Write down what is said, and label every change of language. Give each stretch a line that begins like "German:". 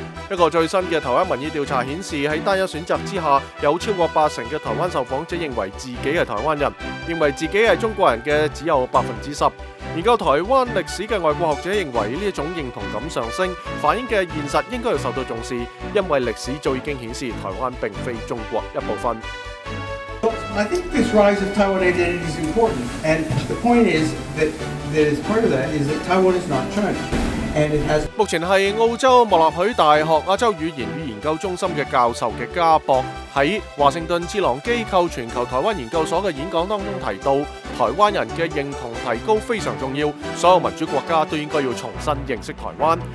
Chinese: 一个最新的台湾民意调查显示，在单一选择之下，有超过八成的台湾受访者认为自己是台湾人，认为自己是中国人的只有10%。研究台湾历史的外国学者认为这种认同感上升，反映的现实应该受到重视，因为历史早已经显示台湾并非中国一部分。
English: I think this rise of Taiwan identity is important, and the point is that is part of that is that Taiwan is not China.
Chinese: 目前是澳洲莫纳许大学亚洲语言与研究中心的教授的家博，在华盛顿智囊机构全球台湾研究所的演讲当中提到，台湾人的认同提高非常重要，所有民主国家都应该要重新认识台湾。